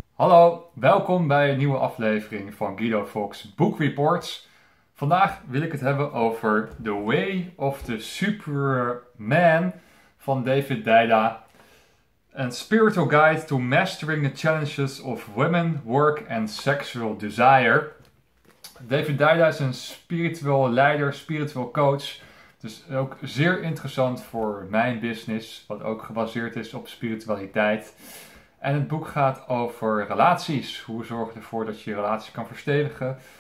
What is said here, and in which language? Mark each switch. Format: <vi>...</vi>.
<nl>Hallo, welkom bij een nieuwe aflevering van Guido Fox Book Reports. Vandaag wil ik het hebben over The Way of the Superman van David Dida.</nl> <en>A spiritual guide to mastering the challenges of women, work and sexual desire.</en> <nl>David Dida is een spiritueel leider, spiritueel coach. Dus ook zeer interessant voor mijn business, wat ook gebaseerd is op spiritualiteit. En het boek gaat over relaties. Hoe zorg je ervoor dat je je relatie kan verstevigen?</nl>